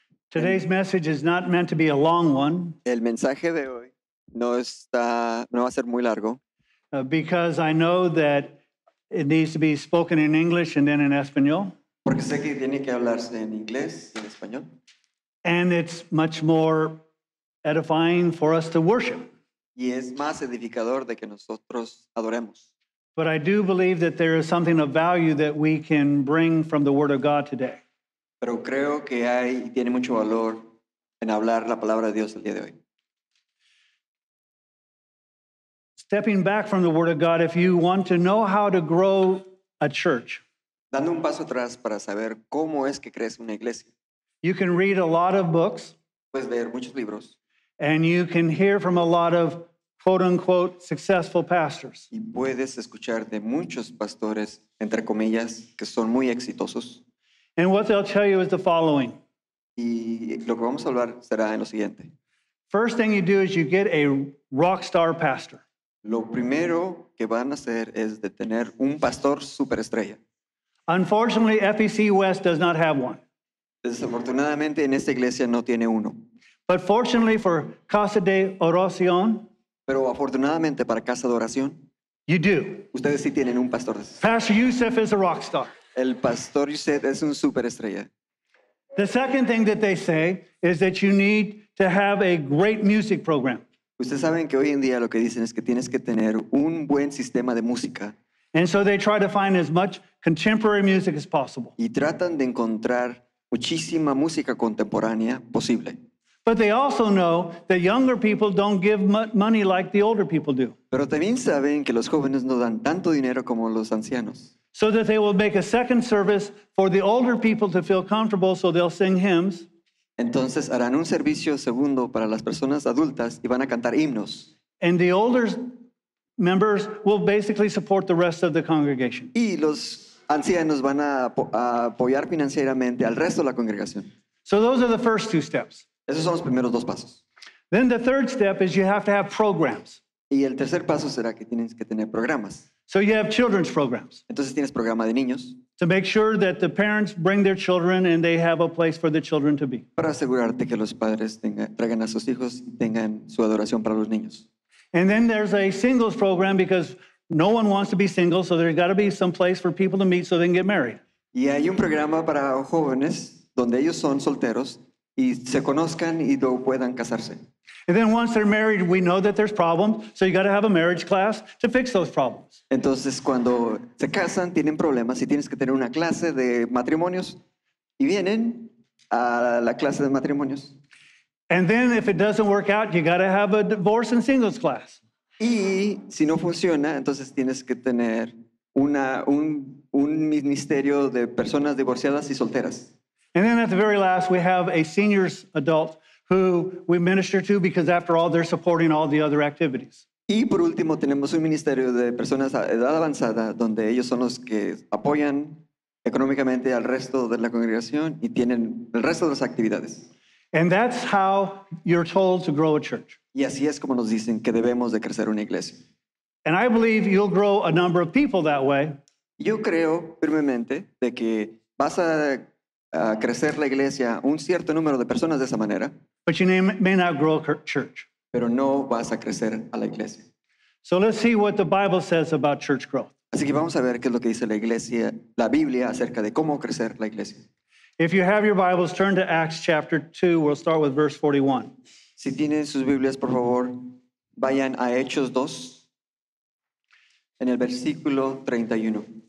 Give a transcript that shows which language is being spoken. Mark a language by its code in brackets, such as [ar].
[en] Today's message is not meant to be a long one. [es] El mensaje de hoy no va a ser muy largo. [en] Because I know that it needs to be spoken in English and then in Espanol. [es] Porque sé que tiene que hablarse en inglés y en español. [en] And it's much more edifying for us to worship. [es] Y es más edificador de que nosotros adoremos. [en] But I do believe that there is something of value that we can bring from the Word of God today. [es] Pero creo que hay y tiene mucho valor en hablar la palabra de Dios el día de hoy. [en] Stepping back from the Word of God, if you want to know how to grow a church, [es] dando un paso atrás para saber cómo es que crece una iglesia, [en] you can read a lot of books, [es] puedes leer muchos libros, [en] and you can hear from a lot of quote-unquote successful pastors. [es] Y puedes escuchar de muchos pastores, entre comillas, que son muy exitosos. [en] And what they'll tell you is the following. [es] Y lo que vamos a hablar será en lo siguiente. [en] First thing you do is you get a rock star pastor. [es] Lo primero que van a hacer es de tener un pastor superestrella. [en] Unfortunately, FBC West does not have one. [es] Desafortunadamente, en esta iglesia no tiene uno. [en] But fortunately for Casa de Oración, [es] pero afortunadamente para Casa de Oración, [en] you do. [es] Ustedes sí tienen un pastor. [en] Pastor Yuseth is a rock star. [es] El pastor Yuseth es un superestrella. [en] The second thing that they say is that you need to have a great music program. [es] Ustedes saben que hoy en día lo que dicen es que tienes que tener un buen sistema de música. [en] And so they try to find as much contemporary music as possible. [es] Y tratan de encontrar muchísima música contemporánea posible. [en] But they also know that younger people don't give money like the older people do. [es] Pero también saben que los jóvenes no dan tanto dinero como los ancianos. [en] So that they will make a second service for the older people to feel comfortable, so they'll sing hymns. [es] Entonces harán un servicio segundo para las personas adultas y van a cantar himnos. [en] And the older members will basically support the rest of the congregation. [es] Y los ancianos van a apoyar financieramente al resto de la congregación. [en] So those are the first two steps. [es] Esos son los primeros dos pasos. [en] Then the third step is you have to have programs. [es] Y el tercer paso será que tienes que tener programas. [en] So you have children's programs. [es] Entonces tienes programa de niños. [en] To make sure that the parents bring their children and they have a place for the children to be. [es] Para asegurarte que los padres traigan a sus hijos y tengan su adoración para los niños. [en] And then there's a singles program because no one wants to be single, so there's got to be some place for people to meet so they can get married. [es] Y hay un programa para jóvenes donde ellos son solteros y se conozcan y luego puedan casarse. [en] And then once they're married, we know that there's problems, so you got to have a marriage class to fix those problems. [es] Entonces, cuando se casan, tienen problemas y tienes que tener una clase de matrimonios y vienen a la clase de matrimonios. [en] And then if it doesn't work out, you got to have a divorce and singles class. [es] Y si no funciona, entonces tienes que tener un ministerio de personas divorciadas y solteras. [en] And then at the very last, we have a seniors adult who we minister to because after all, they're supporting all the other activities. [es] Y por último, tenemos un ministerio de personas a edad avanzada donde ellos son los que apoyan económicamente al resto de la congregación y tienen el resto de las actividades. [en] And that's how you're told to grow a church. [es] Y así es como nos dicen que debemos de crecer una iglesia. [en] And I believe you'll grow a number of people that way. [es] Yo creo firmemente de que vas a crecer la iglesia un cierto número de personas de esa manera. [en] But you may not grow a church. [es] Pero no vas a crecer a la iglesia. [en] So let's see what the Bible says about church growth. [es] Así que vamos a ver qué es lo que dice la iglesia, la Biblia acerca de cómo crecer la iglesia. [en] If you have your Bibles, turn to Acts chapter 2. We'll start with verse 41. [es] Si tienen sus Biblias, por favor, vayan a Hechos 2, en el versículo 31.